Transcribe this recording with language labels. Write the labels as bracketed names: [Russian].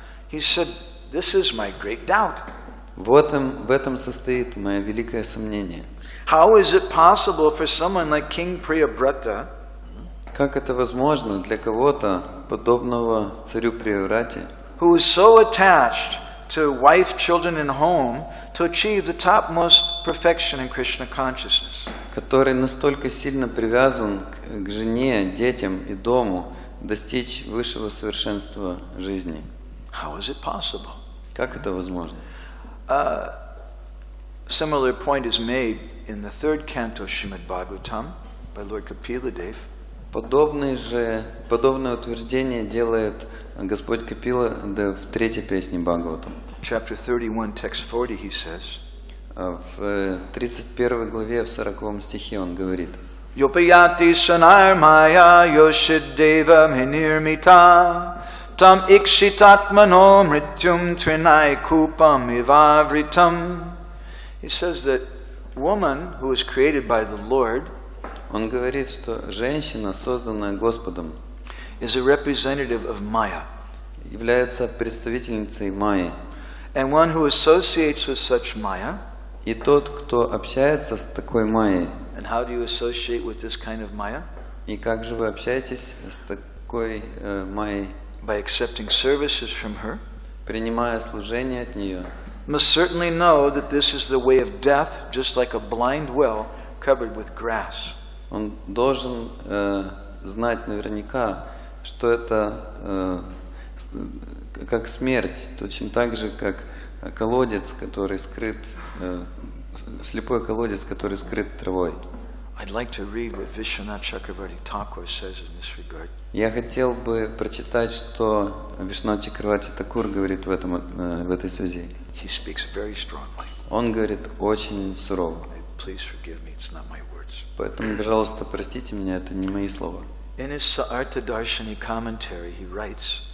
[English] He said, this is my great doubt. [Russian] В этом состоит мое великое сомнение. [English] How is it possible for someone like King Priyabrata? [Russian] Как это возможно для кого-то подобного царю Приврате? [English] Who is so attached to wife, children, and home to achieve the topmost perfection in Krishna consciousness? [Russian] Который настолько сильно привязан к жене, детям и дому, достичь высшего совершенства жизни. [English] How is it possible? [Russian] Как это возможно? [English] Similar point is made in the third canto Srimad Bhagavatam by Lord Kapiladev. [Russian] Подобное утверждение делает Господь Капиладев в третьей песне Бхагаватам. [English] Chapter 31, text 40, he says. [Russian] В 31 главе, в 40 стихе он говорит. [Sanskrit] Yopayati sanarmaya yoshideva minirmita tam ikshitatmano mrityum trinai kupam ivavritam. [English] He says that woman who is created by the Lord, [Russian] он говорит, что женщина, созданная Господом, [English] is a representative of Maya, [Russian] является представительницей Майи. [English] And one who associates with such Maya, [Russian] и тот, кто общается с такой Майей. [English] And how do you associate with this kind of Maya? [Russian] И как же вы общаетесь с такой Майей? [English] By accepting services from her, [Russian] принимая служение от неё. [English] Must certainly know that this is the way of death, just like a blind well covered with grass. [Russian] Он должен знать наверняка, что это как смерть, точно так же, как колодец, который скрыт, слепой колодец, который скрыт травой. [English] I'd like to read what Vishwanath Chakravarti Thakur says in this regard. [Russian] Я хотел бы прочитать, что Вишнат Чакраварти Такур говорит в этом, в этой связи. [English] He speaks very strongly. [Russian] Он говорит очень сурово. [English] Please forgive me, it's not my words. [Russian] Поэтому, пожалуйста, простите меня, это не мои слова. [English] In his Sarartha Darshani commentary, he writes.